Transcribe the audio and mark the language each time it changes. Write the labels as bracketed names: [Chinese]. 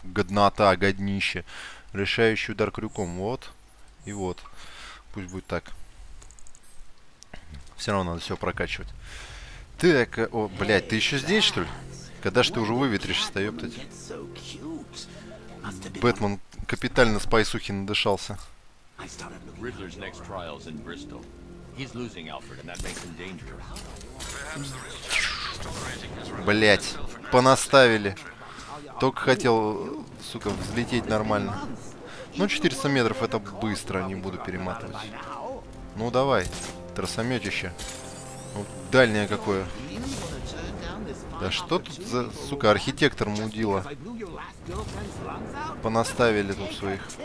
[Russian] Годнота, годнище. Решающий удар крюком. Вот. И вот. Пусть будет так. Все равно надо все прокачивать. Так, о, блядь, ты еще здесь, что ли? Когда ж ты уже выветришься-то, ёптать? Бэтмен капитально с пайсухи надышался. [English] Riddler's next trial's in Bristol. He's losing Alfred, and that makes him dangerous. [Russian] Блять, понаставили. Только хотел, сука, взлететь нормально. Ну, 400 метров это быстро, не буду перематывать. Ну давай, тросометище. Дальнее какое. Да что тут за, сука, архитектор мудила. Понаставили тут своих.